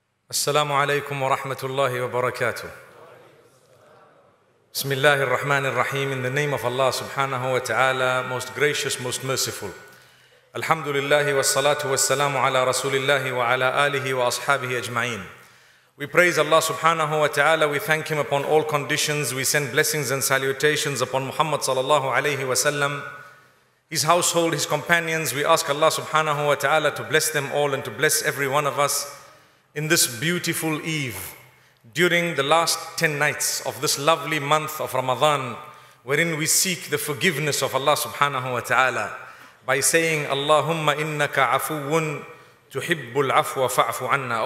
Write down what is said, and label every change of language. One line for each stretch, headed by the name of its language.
Arabic: السلام عليكم ورحمة الله وبركاته. بسم الله الرحمن الرحيم.
English: In the name of Allah
Arabic: سبحانه وتعالى,
English: most gracious, most merciful.
Arabic: الحمد لله والصلاة والسلام على رسول الله وعلى آله وأصحابه أجمعين.
English: We praise Allah
Arabic: سبحانه وتعالى.
English: We thank Him upon all conditions. We send blessings and salutations upon Muhammad
Arabic: صلى الله عليه وسلم,
English: His household, His companions. We ask Allah
Arabic: سبحانه وتعالى
English: to bless them all and to bless every one of us in this beautiful eve, during the last 10 nights of this lovely month of Ramadan, wherein we seek the forgiveness of Allah subhanahu wa ta'ala by saying,
Arabic: Allahumma innaka afuwun tuhibbul afwa fa'afu anna.